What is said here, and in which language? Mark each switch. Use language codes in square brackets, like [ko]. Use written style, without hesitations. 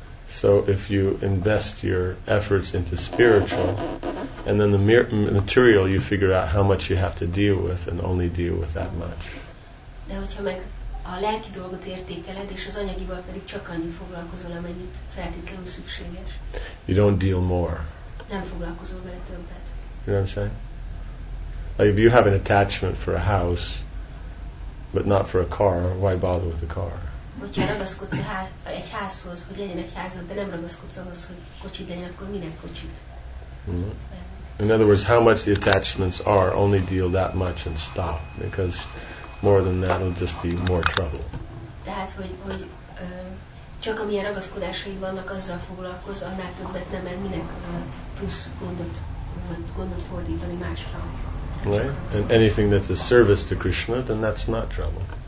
[en] So if you invest your efforts into spiritual, and then the material you figure out how much you have to deal with, and only deal with that much. [hu] De hogyha meg a lelki dolgot értékeled, és az anyagival pedig csak annyit foglalkozol, amennyit feltétlenül szükséges. [en] You don't deal more. [hu] Nem foglalkozol vele többet. [en] You know what I'm saying? Like if you have an attachment for a house, but not for a car, why bother with a car? [hu] Hogyha ragaszkodsz egy házhoz, hogy legyen egy házod, de nem ragaszkodsz ahhoz, hogy kocsit legyen, akkor minek kocsit? [en] In other words, how much the attachments are, only deal that much and stop. Because... More than that, it'll just be more trouble. [hu] Tehát, hogy csak amilyen ragaszkodásai vannak, azzal foglalkoz, annál többet nem, mert minek plusz gondot fordítani másra. [en] Right? And anything that's a service to Krishna, then that's not trouble.